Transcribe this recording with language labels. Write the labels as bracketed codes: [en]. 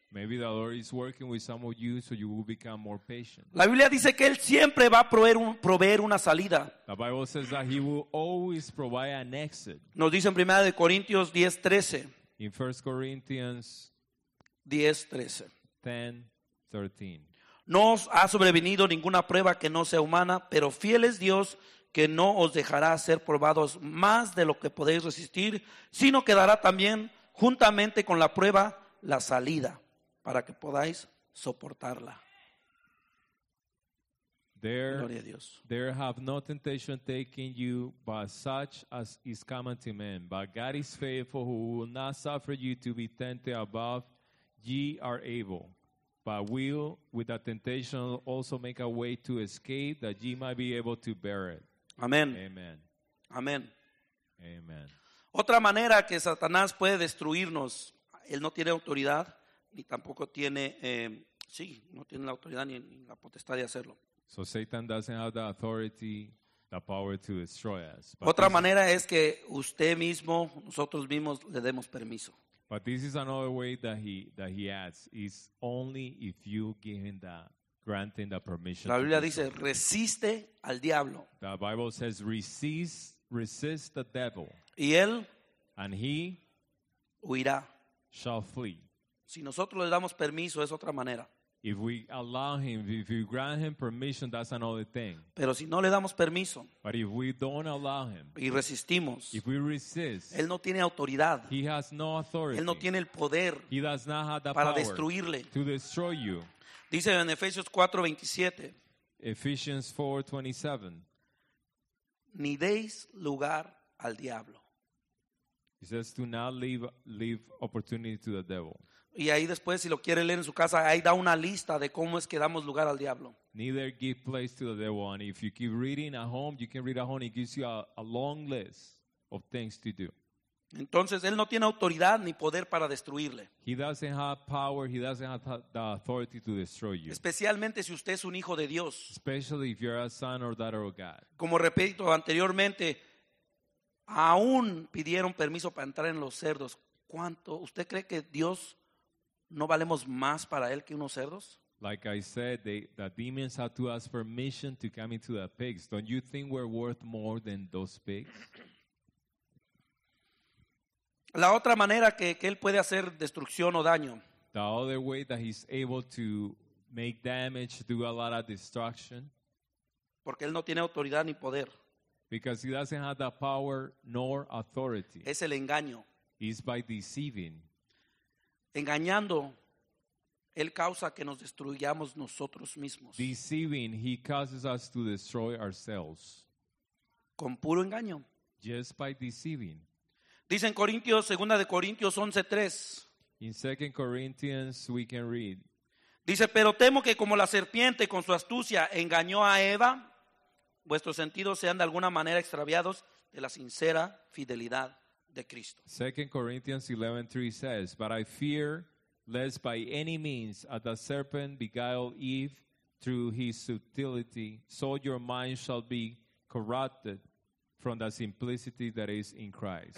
[en] Maybe the Lord is working with some of you so you will become more patient. [es] La Biblia dice que él siempre va a proveer una salida. [en] The Bible says that he will always provide an exit. [es] Nos dice en 1 de Corintios 10:13. [en] In 1 Corinthians 10:13. [es] No os ha sobrevenido ninguna prueba que no sea humana, pero fiel es Dios que no os dejará ser probados más de lo que podéis resistir, sino que dará también, juntamente con la prueba, la salida, para que podáis soportarla. [en] There, [es] Gloria a Dios. [en] There have no temptation taken you, but such as is common to men. But God is faithful, who will not suffer you to be tempted above ye are able. But will, with the temptation, also make a way to escape, that ye might be able to bear it. [es] Amén. [en] Amen. [es] Amén. [en] Amen. [es] Otra manera que Satanás puede destruirnos, él no tiene autoridad, ni tampoco tiene, no tiene la autoridad ni la potestad de hacerlo. [en] So Satan doesn't have the authority, the power to destroy us. [es] Otra manera es que usted mismo, nosotros mismos, le demos permiso. [en] But this is another way that he adds, is only if you give him that, granting the permission. [es] La Biblia dice, resiste al diablo. [en] The Bible says, resist the devil. [es] Y él, [en] and he [es] huirá. [en] Shall flee. [es] Si nosotros le damos permiso, es otra manera. [en] If we allow him, if we grant him permission, that's another thing. [es] Pero si no le damos permiso, [en] but if we don't allow him, [es] y resistimos, [en] if we resist, [es] él no tiene autoridad. [en] He has no authority. [es] Él no tiene el poder. [en] He does not have the [es] para destruirle. [en] Power to destroy you. [es] Dice en Efesios 4:27. [en] Ephesians 4:27. [es] Ni deis lugar al diablo. [en] He says to not leave opportunity to the devil. [es] Y ahí después, si lo quiere leer en su casa, ahí da una lista de cómo es que damos lugar al diablo. [en] Neither give place to the devil. And if you keep reading at home, you can read at home, it gives you a long list of things to do. [es] Entonces, él no tiene autoridad ni poder para destruirle. [en] He doesn't have power, he doesn't have the authority to destroy you. [es] Especialmente si usted es un hijo de Dios. [en] Especially if you're a son or daughter of God. [es] Como repito anteriormente, aún pidieron permiso para entrar en los cerdos. ¿Cuánto? ¿Usted cree que Dios... no valemos más para él que unos cerdos? [en] Like I said, the demons had to ask permission to come into the pigs. Don't you think we're worth more than those pigs? [es] La otra manera que él puede hacer destrucción o daño. [en] The other way that he's able to make damage, do a lot of destruction. [es] Porque él no tiene autoridad ni poder. [en] Because he doesn't have the power nor authority. [es] Es el engaño. [en] He's by deceiving. [es] Engañando, él causa que nos destruyamos nosotros mismos. [en] Deceiving, he causes us to destroy ourselves. [es] Con puro engaño. [en] Just by deceiving. [es] Dice en Corintios, segunda de Corintios 11:3. [en] In 2 Corinthians we can read. [es] Dice, pero temo que como la serpiente con su astucia engañó a Eva, vuestros sentidos sean de alguna manera extraviados de la sincera fidelidad. [en] 2 Corinthians 11:3 says, but I fear lest by any means as the serpent beguiled Eve through his subtlety, so your mind shall be corrupted from the simplicity that is in Christ.